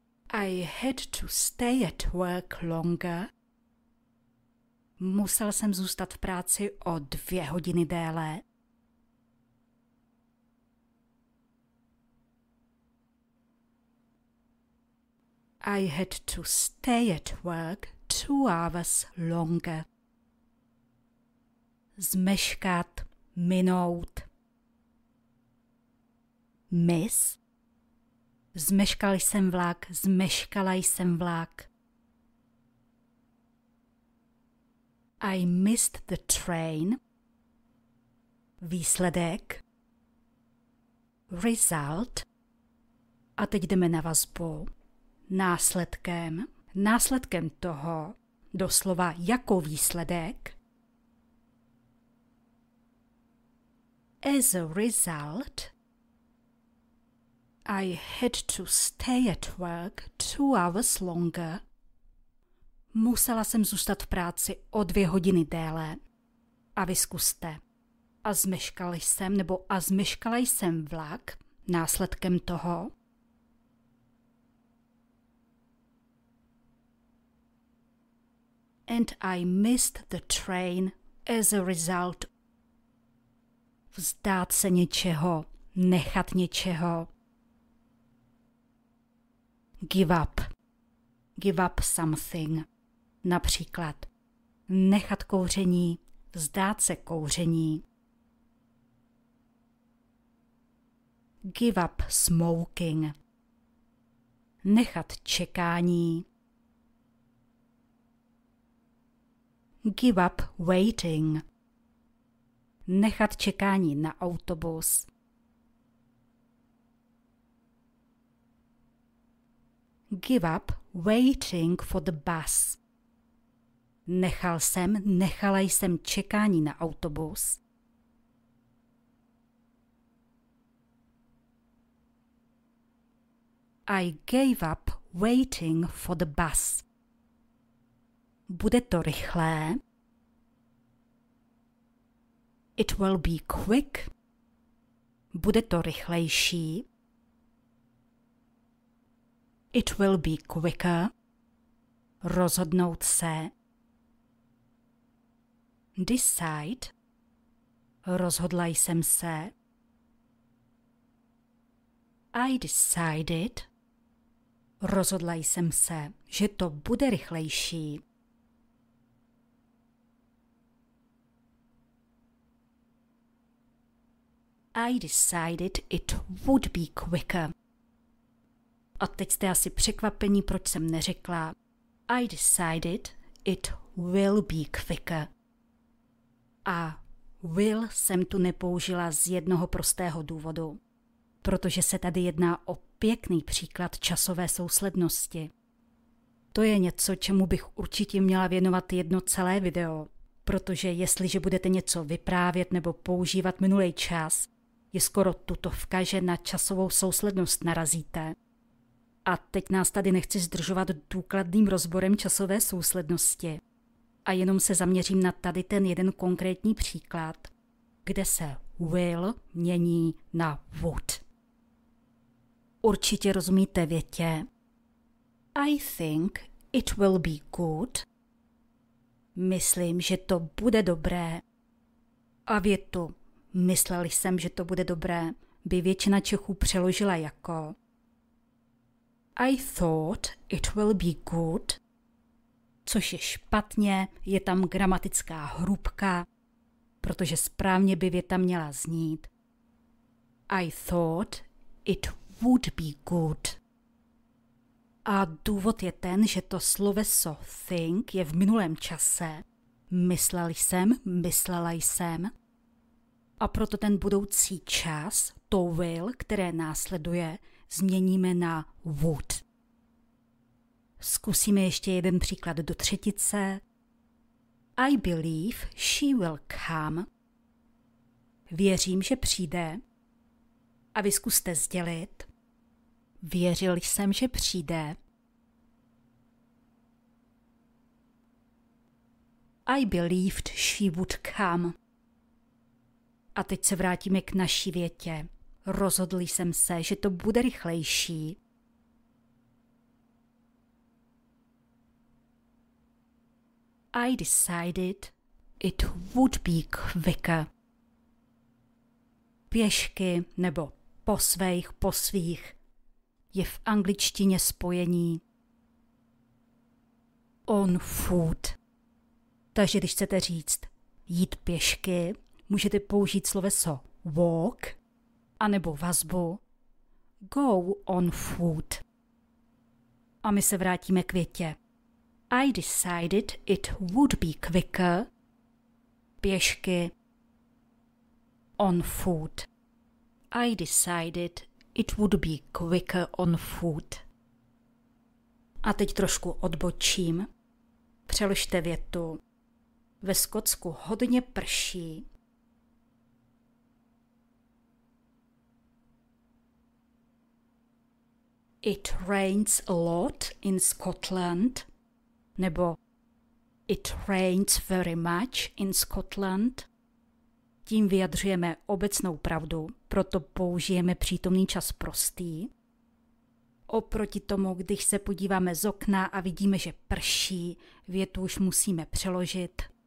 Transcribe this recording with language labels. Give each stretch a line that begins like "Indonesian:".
English: I had to stay at work longer.
Czech: Musel jsem zůstat v práci o 2 hodiny déle.
English: I had to stay at work 2 hours longer.
Czech: Zmeškat, minout.
English: Miss?
Czech: Zmeškal jsem vlak, zmeškala jsem vlak.
English: I missed the train.
Czech: Výsledek.
English: Result.
Czech: A teď jdeme na vazbu. Následkem. Následkem toho, doslova jako výsledek.
English: As a result, I had to stay at work 2 hours longer.
Czech: Musela jsem zůstat v práci o 2 hodiny déle. A vy zkuste. A zmeškal jsem, nebo a zmeškala jsem vlak následkem toho.
English: And I missed the train as a result.
Czech: Vzdát se něčeho, nechat něčeho.
English: Give up. Give up something.
Czech: Například nechat kouření, vzdát se kouření.
English: Give up smoking.
Czech: Nechat čekání.
English: Give up waiting.
Czech: Nechat čekání na autobus.
English: Give up waiting for the bus.
Czech: Nechal jsem, nechala jsem čekání na autobus.
English: I gave up waiting for the bus.
Czech: Bude to rychlé.
English: It will be quick.
Czech: Bude to rychlejší.
English: It will be quicker.
Czech: Rozhodnout se.
English: Decide.
Czech: Rozhodla jsem se.
English: I decided.
Czech: Rozhodla jsem se, že to bude rychlejší.
English: I decided it would be quicker.
Czech: A teď jste asi překvapení, proč jsem neřekla.
English: I decided it will be quicker.
Czech: A will jsem tu nepoužila z jednoho prostého důvodu. Protože se tady jedná o pěkný příklad časové souslednosti. To je něco, čemu bych určitě měla věnovat jedno celé video. Protože jestliže budete něco vyprávět nebo používat minulý čas, je skoro tutovka, že na časovou souslednost narazíte. A teď nás tady nechci zdržovat důkladným rozborem časové souslednosti. A jenom se zaměřím na tady ten jeden konkrétní příklad, kde se will mění na would. Určitě rozumíte větě.
English: I think it will be good.
Czech: Myslím, že to bude dobré. A větu. Myslel jsem, že to bude dobré, by většina Čechů přeložila jako
English: I thought it will be good.
Czech: Což je špatně, je tam gramatická hrubka, protože správně by věta měla znít.
English: I thought it would be good.
Czech: A důvod je ten, že to sloveso think je v minulém čase. Myslela jsem. A proto ten budoucí čas, to will, které následuje, změníme na would. Zkusíme ještě jeden příklad do třetice.
English: I believe she will come.
Czech: Věřím, že přijde. A vy zkuste sdělit. Věřil jsem, že přijde.
English: I believed she would come.
Czech: A teď se vrátíme k naší větě. Rozhodl jsem se, že to bude rychlejší.
English: I decided it would be quicker.
Czech: Pěšky nebo po svých, je v angličtině spojení
English: on foot.
Czech: Takže když chcete říct jít pěšky, můžete použít sloveso walk anebo vazbu
English: go on foot.
Czech: A my se vrátíme k větě.
English: I decided it would be quicker.
Czech: Pěšky.
English: On foot. I decided it would be quicker on foot.
Czech: A teď trošku odbočím. Přeložte větu. Ve Skotsku hodně prší.
English: It rains a lot in Scotland.
Czech: Nebo
English: it rains very much in Scotland.
Czech: Tím vyjadřujeme obecnou pravdu, proto použijeme přítomný čas prostý. Oproti tomu, když se podíváme z okna a vidíme, že prší, větu už musíme přeložit.